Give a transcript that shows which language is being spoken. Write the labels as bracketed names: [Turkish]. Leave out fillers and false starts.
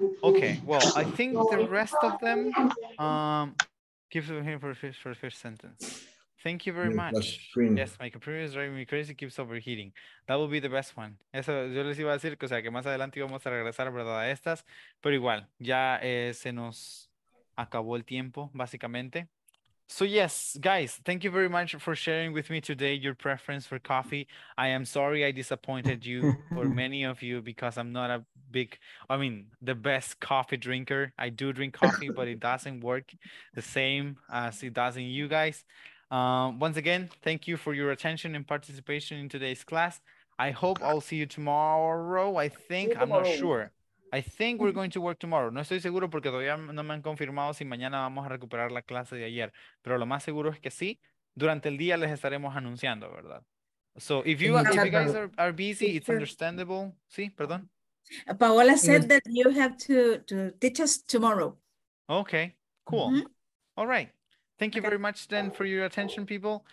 [English] Okay, well, I think the rest of them, give them here for the first sentence. Thank you very much. Screen. Yes, my computer is driving me crazy, keeps overheating. That will be the best one. [Spanish] Eso yo les iba a decir, que, o sea, que más adelante íbamos a regresar, ¿verdad?, a estas. Pero igual, ya se nos acabó el tiempo, básicamente. [English] So yes, guys, thank you very much for sharing with me today your preference for coffee. I am sorry I disappointed you or many of you because I'm not a big, I mean, the best coffee drinker. I do drink coffee, but it doesn't work the same as it does in you guys. Once again, thank you for your attention and participation in today's class. I hope I'll see you tomorrow. I think, I'm not sure. I think we're going to work tomorrow. [Spanish] No estoy seguro porque todavía no me han confirmado si mañana vamos a recuperar la clase de ayer. Pero lo más seguro es que sí. Durante el día les estaremos anunciando, ¿verdad? [English] So, if you guys are busy, it's understandable. [Spanish] Sí, perdón. [English] Paola said that you have to teach us tomorrow. Okay, cool. Mm-hmm. All right. Thank you very much then for your attention, people.